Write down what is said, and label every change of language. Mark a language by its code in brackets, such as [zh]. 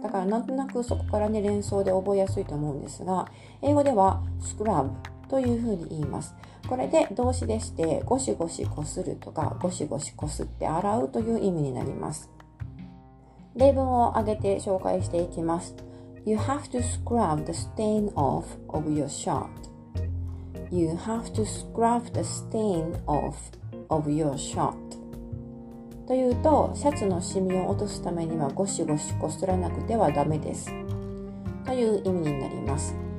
[ja] だからなんとなくそこからね、連想で覚えやすいと思うんですが、英語ではスクラブというふうに言います。これで動詞でして、ゴシゴシこするとか、ゴシゴシこすって洗うという意味になります。例文を挙げて紹介していきます。 [en] You have to scrub the stain off of your shirt. You have to scrub the stain off of your shirt. [ja] というと、シャツのシミを落とすためにはゴシゴシこすらなくてはダメです。という意味になります。